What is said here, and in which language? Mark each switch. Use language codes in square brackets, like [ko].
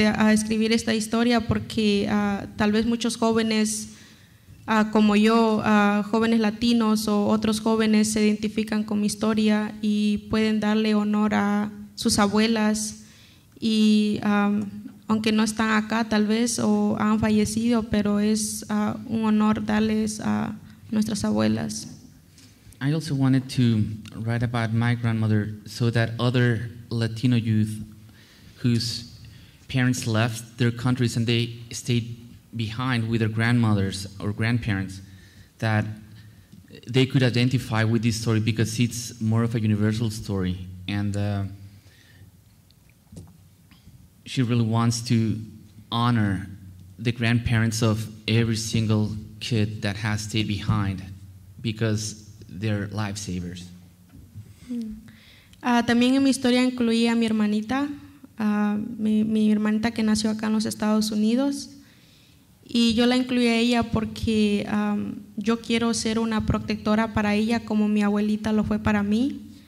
[es] escribir esta historia, porque tal vez muchos jóvenes como yo, jóvenes latinos o otros jóvenes, se identifican con mi historia y pueden darle honor a sus abuelas, y aunque no están acá tal vez o han fallecido, pero es un honor darles a nuestras abuelas. [en] I also wanted to write about my grandmother so that other Latino youth whose parents left their countries and they stayed behind with their grandmothers or grandparents, that they could identify with this story because it's more of a universal story. And she really wants to honor the grandparents of every single kid that has stayed behind because they're lifesavers. [es] También en mi historia incluí a mi hermanita, mi hermanita que nació acá en los Estados Unidos. Y yo la incluí a ella porque yo quiero ser una protectora para ella como mi abuelita lo fue para mí.